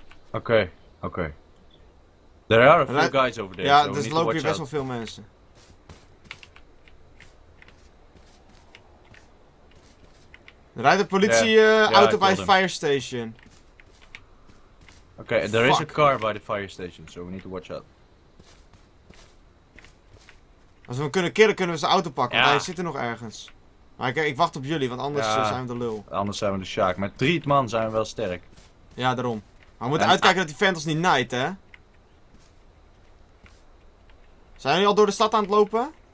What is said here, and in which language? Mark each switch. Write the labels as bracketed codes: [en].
[en] Oké. There are a few guys over there. [nl] Ja, [en] so [nl] dus er lopen hier [en] out. [nl] Best wel veel mensen. Er rijdt een politieauto bij de fire station. [en] Oké, there is a car by the fire station, so we need to watch out. [nl] Als we hem kunnen killen, kunnen we zijn auto pakken, want hij zit er nog ergens. Maar ik wacht op jullie, want anders zijn we de lul. Anders zijn we de shaak. Met 3 man zijn we wel sterk. Ja, daarom. Maar we moeten uitkijken dat die vent ons niet naait, hè? Zijn jullie al door de stad aan het lopen?